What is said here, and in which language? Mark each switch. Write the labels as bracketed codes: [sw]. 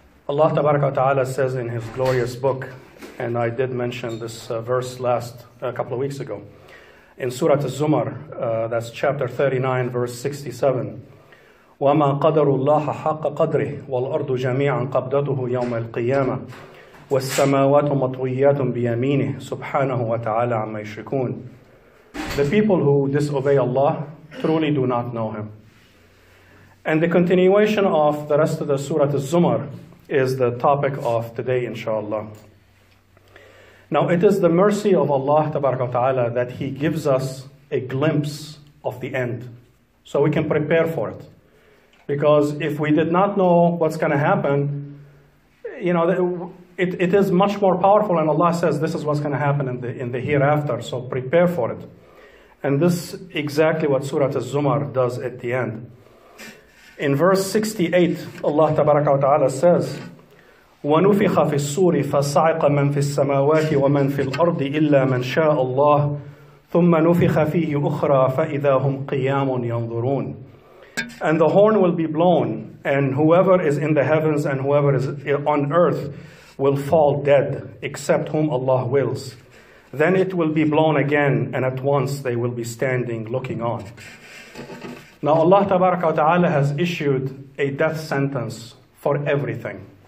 [ar] الله تبارك وتعالى [en] says in his glorious book and I did mention this verse last a couple of weeks ago in Surat Az-Zumar that's chapter 39 verse 67 [ar] وما قدر الله حق قدره والأرض جميعا قبضته يوم القيامة والسماوات مطويات بيمينه سبحانه وتعالى عما يشركون. [en] The people who disobey Allah truly do not know Him. And the continuation of the rest of the Surah Az-Zumar is the topic of today, inshallah. Now, it is the mercy of Allah tabaraka wa ta'ala that He gives us a glimpse of the end so we can prepare for it. Because if we did not know what's going to happen, you know, it is much more powerful, and Allah says this is what's going to happen in the hereafter, so prepare for it. And this is exactly what Surah Az-Zumar does at the end. In verse 68, Allah tabaraka wa ta'ala says, [ar] وَنُفِخَ فِي السُّورِ فَصَعِقَ مَنْ فِي السَّمَاوَاتِ وَمَنْ فِي الْأَرْضِ إِلَّا مَنْ شَاءَ اللَّهِ ثُمَّ نُفِخَ فِيهِ أُخْرَى فَإِذَا هُمْ قِيَامٌ يَنْظُرُونَ. [en] And the horn will be blown, and whoever is in the heavens and whoever is on earth will fall dead, except whom Allah wills. Then it will be blown again, and at once they will be standing looking on. Now Allah tabaraka wa ta'ala has issued a death sentence for everything.